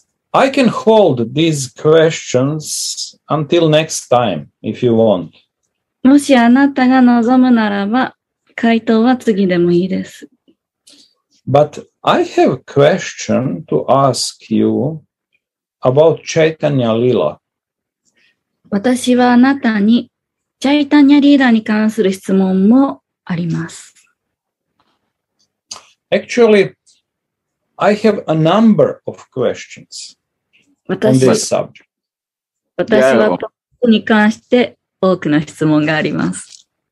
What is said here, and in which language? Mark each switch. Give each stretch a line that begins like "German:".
English: I can hold these questions until next time, if you want.
Japanese: もしあなたが望むならば、回答は次でもいいです。
English: But I have a question to ask you about Chaitanya Lila.
Japanese: 私はあなたに、チャイタニャリーダーに関する質問もあります。
English: Actually, I have a number of questions on this subject.
Japanese: 私はトップに関して多くの質問があります。